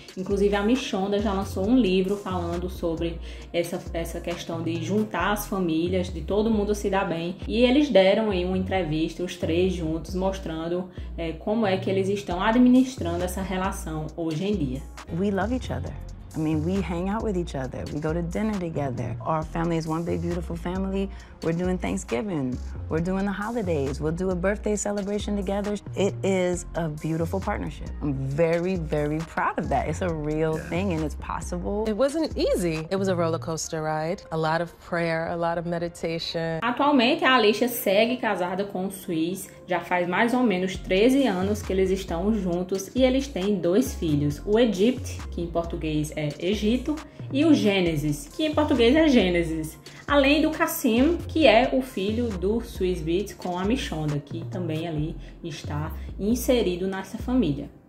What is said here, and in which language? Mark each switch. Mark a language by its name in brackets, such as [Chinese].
[Portuguese] Inclusive a Michonda já lançou um livro falando sobre essa questão de juntar as famílias, de todo mundo se dar bem. E eles deram em uma entrevista, os três juntos, mostrando como é que eles estão administrando essa relação hoje em dia. [English] We love each other. I mean, we hang out with each other. We go to dinner together. Our family is one big, beautiful family. We're doing Thanksgiving. We're doing the holidays. We'll do a birthday celebration together. It is a beautiful partnership. I'm very, very proud of that. It's a real thing and it's possible. It wasn't easy. It was a roller coaster ride. A lot of prayer, a lot of meditation. [Portuguese] Atualmente, a Alicia segue casada com o Swiss. Já faz mais ou menos 13 anos que eles estão juntos e eles têm dois filhos. O Egypt, que em português é Egito, e o Gênesis, que em português é Gênesis, além do Kasim, que é o filho do Swiss Beatz com a Michonda, que também ali está inserido nessa família.